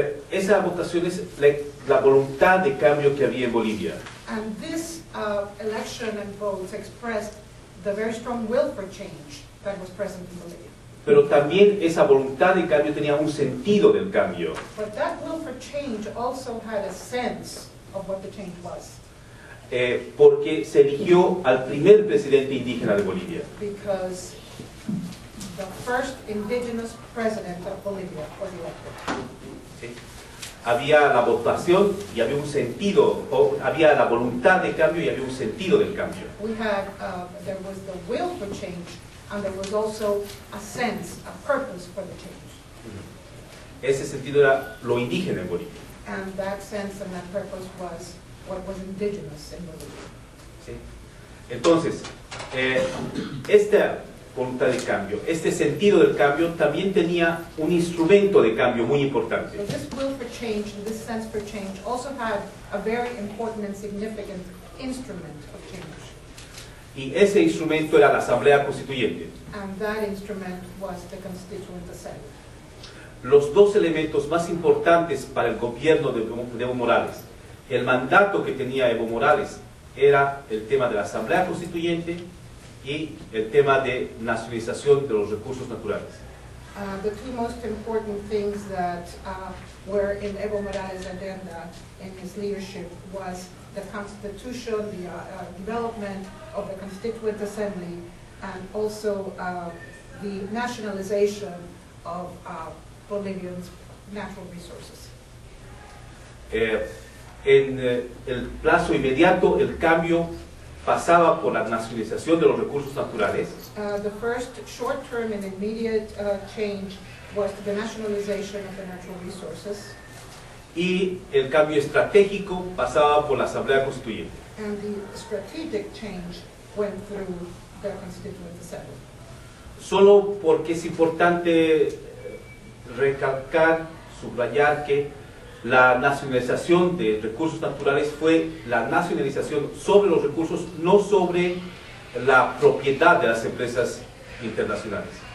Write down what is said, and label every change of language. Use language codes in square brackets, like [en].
[es] Esa votación es la voluntad de cambio que había en Bolivia. [en] And this election and votes expressed the very strong will for change that was present in Bolivia. [es] Pero también esa voluntad de cambio tenía un sentido del cambio. [en] But that will for change also had a sense of what the change was. [es] Porque se eligió al primer presidente indígena de Bolivia. [en] Because the first indigenous president of Bolivia was elected. [es] Había la votación y había un sentido, o había la voluntad de cambio y había un sentido del cambio. [en] We had, there was the will for change, and there was also a sense, a purpose for the change. [es] Ese sentido era lo indígena en Bolivia. [en] And that sense and that purpose was what was indigenous in Bolivia. [es] Sí. Entonces, esta voluntad de cambio, este sentido del cambio también tenía un instrumento de cambio muy importante. [en] So this will for change and this sense for change also had a very important and significant instrument of change. [es] Y ese instrumento era la Asamblea Constituyente. [en] And that instrument was the Constituent Assembly. [es] Los dos elementos más importantes para el gobierno de Evo Morales, el mandato que tenía Evo Morales, era el tema de la Asamblea Constituyente y el tema de nacionalización de los recursos naturales. [en] The two most important things that were in Evo Morales' agenda in his leadership was the constitution, the development of the Constituent Assembly, and also the nationalization of Bolivian's natural resources. [es] En el plazo inmediato, el cambio pasaba por la nacionalización de los recursos naturales. [en] The first short-term and immediate change was the nationalization of the natural resources. [es] Y el cambio estratégico pasaba por la Asamblea Constituyente. [en] And the strategic change went through the Constituent Assembly. [es] Solo porque es importante recalcar, subrayar que la nacionalización de recursos naturales fue la nacionalización sobre los recursos, no sobre la propiedad de las empresas internacionales.